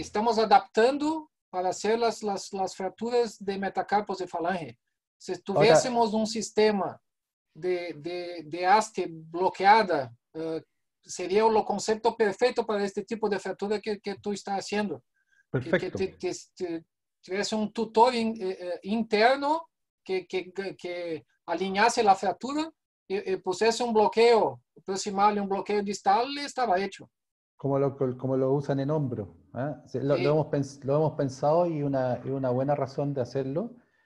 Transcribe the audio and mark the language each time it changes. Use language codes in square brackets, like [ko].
[es] Estamos adaptando para hacer las fracturas de metacarpos de falange. Si tuviésemos un sistema de haste bloqueada, sería el concepto perfecto para este tipo de fractura que tú estás haciendo. Perfecto. Que tuviese un tutor interno que [pt] alinhasse a fratura e pusesse um bloqueio proximal e um bloqueio distal, estava feito. [es] Como lo usan en hombro. ¿Eh? Sí. Lo hemos pensado e una buena razón de hacerlo.